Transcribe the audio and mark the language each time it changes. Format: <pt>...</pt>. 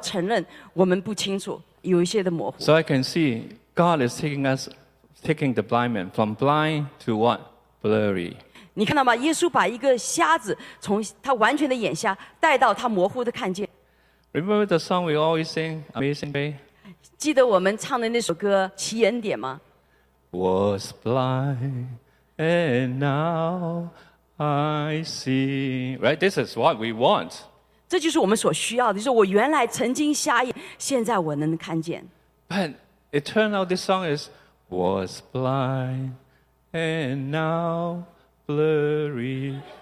<zh>所以这是我们当中非常关键的，就当我们不清楚的时候，我们要承认我们不清楚，有一些的模糊。</zh> <en>So I can see God is taking the blind man from blind to what? Blurry.</en> <zh>你看到吗？耶稣把一个瞎子从他完全的眼瞎带到他模糊的看见。</zh> <en>Remember the song we always sing, Amazing Grace?</en> <zh>记得我们唱的那首歌《奇恩典》吗？</zh> <en>Was blind and now I see, right? This is what we want.</en> <zh>这就是我们所需要的，就是我原来曾经瞎眼，现在我能看见。</zh> <en>But it turned out this song is was blind and now blurry.</en>